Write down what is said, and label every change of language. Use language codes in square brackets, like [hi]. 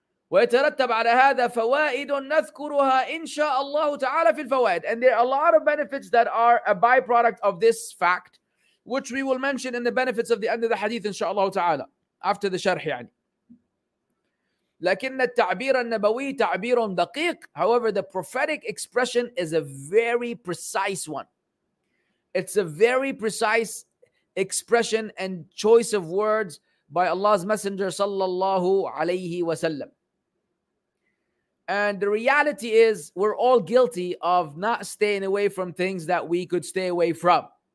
[ar] ويترتب على هذا فوائد نذكرها إن شاء الله تعالى في الفوائد. [en] And there are a lot of benefits that are a byproduct of this fact, which we will mention in the benefits of the end of the hadith [ar] إن شاء الله تعالى [en] after the شرح يعني. [ar] لكن التعبير النبوي تعبير دقيق. [en] However, the prophetic expression is a very precise one. It's a very precise expression and choice of words by Allah's Messenger sallallahu alayhi wasallam. And the reality is, we're all guilty of not staying away from things that we could stay away from.